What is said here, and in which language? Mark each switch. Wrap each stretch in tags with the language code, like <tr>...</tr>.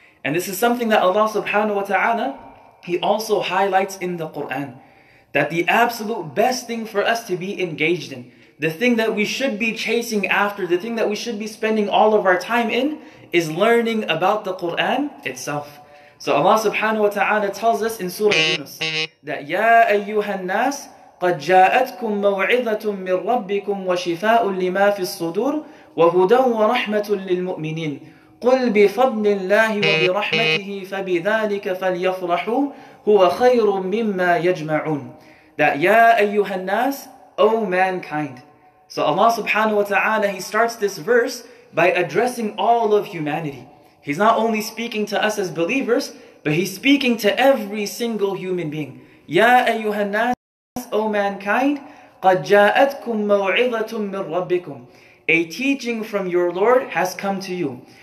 <en>And this is something that Allah subhanahu wa ta'ala, He also highlights in the Qur'an, that the absolute best thing for us to be engaged in, the thing that we should be chasing after, the thing that we should be spending all of our time in, is learning about the Qur'an itself. So Allah subhanahu wa ta'ala tells us in Surah Yunus, that</en> <ar>يَا أَيُّهَا النَّاسِ قَدْ جَاءَتْكُمْ مَوْعِظَةٌ مِّنْ رَبِّكُمْ وَشِفَاءٌ لِمَا فِي الصُّدُورِ وَهُدًى وَرَحْمَةٌ لِلْمُؤْمِنِينَ قُلْ بِفَضْلِ اللَّهِ وَبِرَحْمَتِهِ فَبِذَلِكَ فَلْيَفْرَحُوا هُوَ خَيْرٌ مِّمَّا يَجْمَعُونَ.</ar> <en>That,</en> <ar>يَا أَيُّهَا النَّاسِ,</ar> <en>O mankind. So Allah subhanahu wa ta'ala, He starts this verse by addressing all of humanity. He's not only speaking to us as believers, but He's speaking to every single human being.</en> <ar>يَا أَيُّهَا النَّاسِ,</ar> <en>O mankind,</en> <ar>قَدْ جَاءَتْكُمْ مَوْعِظَةٌ مِّنْ رَبِّكُمْ,</ar> <en>a teaching from your Lord has come to you.</en>